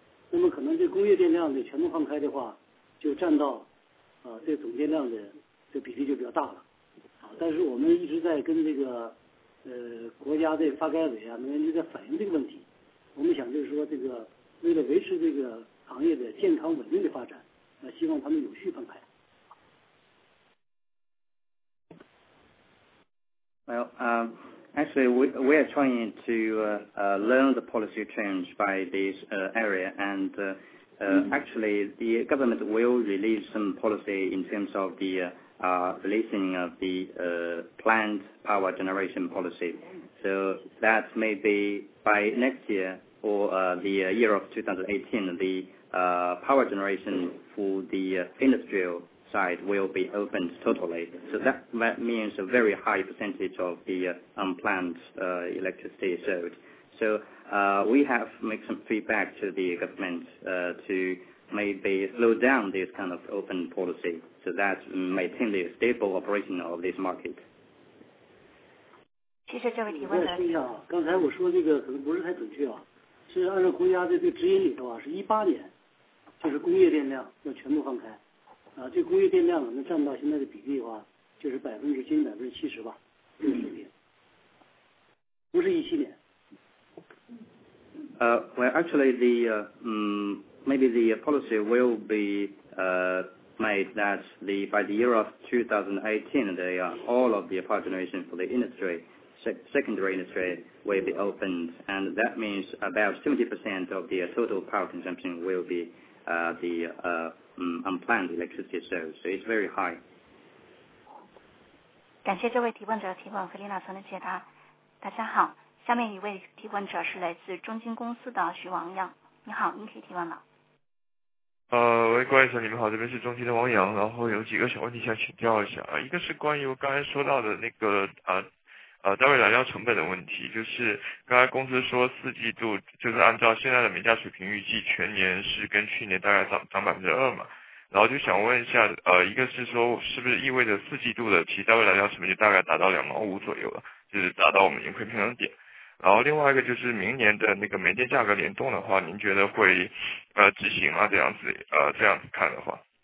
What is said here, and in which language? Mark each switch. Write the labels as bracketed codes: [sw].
[zh] 那么可能这工业电量的全部放开的话，就占到，这个总电量的这比例就比较大了，啊。但是我们一直在跟这个，国家的发改委啊、能源局在反映这个问题。我们想就是说，这个为了维持这个行业的健康稳定的发展，希望他们有序放开。 [en] Well, actually, we are trying to learn the policy change by this area, and actually, the government will release some policy in terms of the releasing of the planned power generation policy. So that may be by next year or the year of 2018, the power generation for the industrial. Side will be opened totally. So that means a very high percentage of the unplanned electricity sold. So we have made some feedback to the government to maybe slow down this kind of open policy so that maintain the stable operation of this market. [zh] 谢谢这位提问的。刚才我说这个可能不是太准确啊，是按照国家的这个指引里头啊，是18年，就是工业电量要全部放开。啊，这工业电量能占到现在的比例的话，就是接近70%吧，这个水平，不是17年。 [en] Well, actually, the maybe the policy will be made that the by the year of 2018, the all of the power generation for the industry, secondary industry will be opened, and that means about 70% of the total power consumption will be the unplanned electricity sales, so it's very high. [zh] 感谢这位提问者提问和林老师的解答。大家好，下面一位提问者是来自中金公司的徐王阳。你好，您可以提问了。喂，关先生，你们好，这边是中金的王阳，然后有几个小问题想请教一下。一个是关于刚才说到的那个单位燃料成本的问题，就是刚才公司说四季度就是按照现在的煤价水平预计全年是跟去年大概涨2%嘛，然后就想问一下一个是说是不是意味着四季度的其实单位燃料成本就大概达到2.5毛左右了，就是达到我们盈亏平衡点，然后另外一个就是明年的那个煤电价格联动的话您觉得会执行啊，这样子这样子看的话，